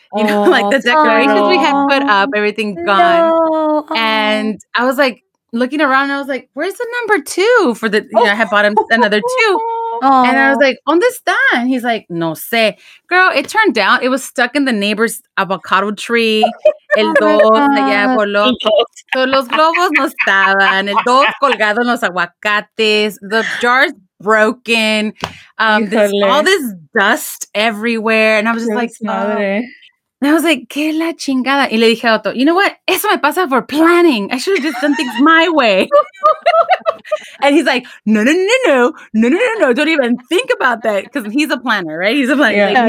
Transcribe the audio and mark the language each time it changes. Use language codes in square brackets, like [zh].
[en] You know, like the decorations we had put up, everything gone. And I was like looking around. And I was like, where's the number two for the, you know, I had bought him another two. Aww. And I was like, [es] ¿dónde está? [en] And he's like, [es] no sé. [en] Girl, it turned out it was stuck in the neighbor's avocado tree. [es] El dos, allá por los globos no estaban. El dos colgado en los aguacates. [en] The jars broken. All this dust everywhere. And I was just like, And I was like, [es] que la chingada. Y le dije a Otto, [en] you know what? [es] Eso me pasa [en] for planning. I should have just done things my way. And he's like, no. Don't even think about that. Because he's a planner, right? He's a planner.